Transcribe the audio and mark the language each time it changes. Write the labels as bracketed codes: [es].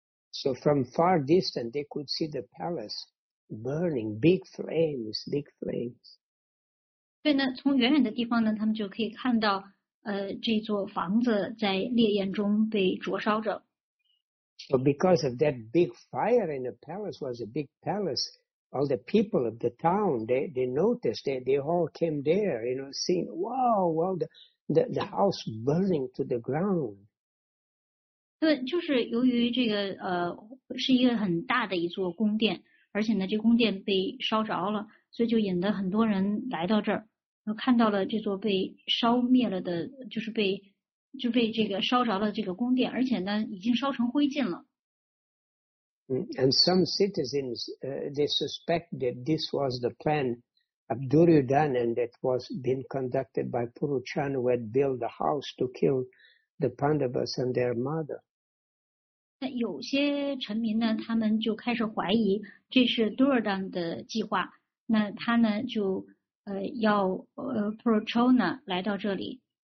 [en] So from far distance, they could see the palace burning, big flames, big flames. [zh] 对呢，从远远的地方呢，他们就可以看到，这座房子在烈焰中被灼烧着。 [en] So because of that big fire in the palace, was a big palace, all the people of the town, they noticed, they all came there, you know, seeing, wow, the house burning to the ground. [zh] 对，就是由于这个是一个很大的一座宫殿，而且呢这宫殿被烧着了，所以就引得很多人来到这儿，看到了这座被烧灭了的，就是被就被这个烧着了这个宫殿，而且呢已经烧成灰烬了。 [en] And some citizens, they suspect that this was the plan of Duryodhana and that was being conducted by Purushana who had built the house to kill the Pandavas and their mother. [zh] 那有些臣民呢，他们就开始怀疑这是 Duryodhana 的计划，那他呢就要Purushana 来到这里。